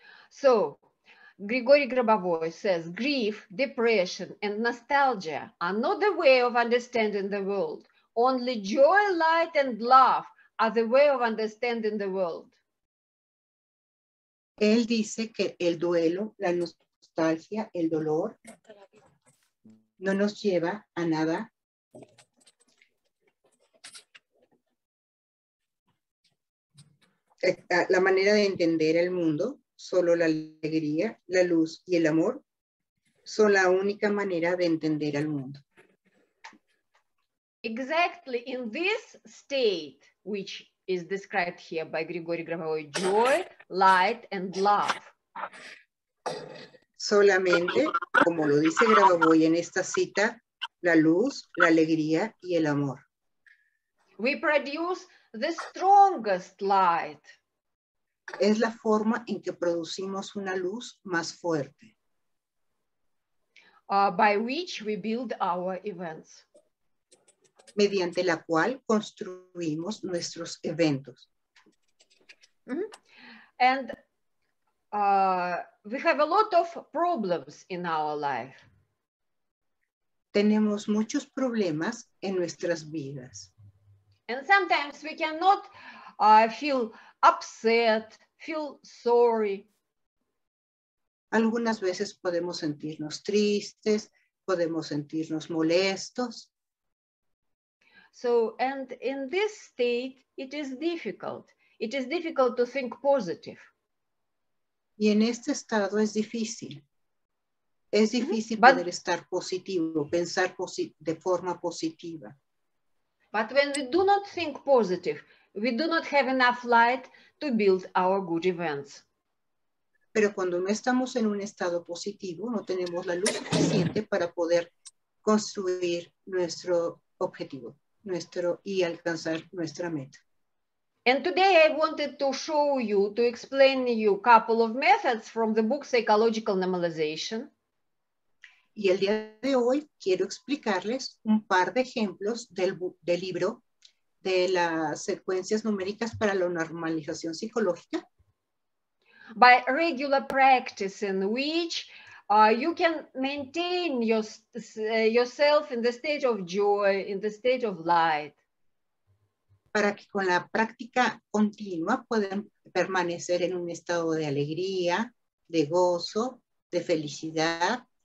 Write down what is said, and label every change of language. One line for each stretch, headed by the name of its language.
English: So, Grigori Grabovoi says, grief, depression, and nostalgia are not the way of understanding the world. Only joy, light, and love are the way of understanding the world.
Spanish: Él dice que el duelo, la nostalgia, el dolor, no nos lleva a nada. La manera de entender el mundo, solo la alegría, la luz y el amor son la única manera de entender al mundo.
English: Exactly in this state, which is described here by Grigori Grabovoi, joy, light, and love.
Spanish: Solamente, como lo dice Grabovoi en esta cita, la luz, la alegría y el amor.
English: We produce the strongest light.
Spanish: Es la forma en que producimos una luz más fuerte.
English: By which we build our events.
Spanish: Mediante la cual construimos nuestros eventos. Mm-hmm.
English: And we have a lot of problems in our life.
Spanish: Tenemos muchos problemas en nuestras vidas.
English: And sometimes we cannot feel upset, feel sorry.
Spanish: Algunas veces podemos sentirnos tristes, podemos sentirnos molestos.
English: So, and in this state, it is difficult. It is difficult to think positive.
Spanish: Y en este estado es difícil. Es difícil mm-hmm. poder estar positivo, pensar de forma positiva.
English: But when we do not think positive, we do not have enough light to build our good events.
Spanish: Pero cuando no estamos en un estado positivo, no tenemos la luz suficiente para poder construir nuestro objetivo, nuestro y alcanzar nuestra meta.
English: And today I wanted to show you, to explain you a couple of methods from the book Psychological Normalization.
Spanish: Y el día de hoy quiero explicarles un par de ejemplos del libro de las secuencias numéricas para la normalización psicológica.
English: By regular practice in which you can maintain yourself in the state of joy, in the state of light.
Spanish: Para que con la práctica continua puedan permanecer en un estado de alegría, de gozo, de felicidad.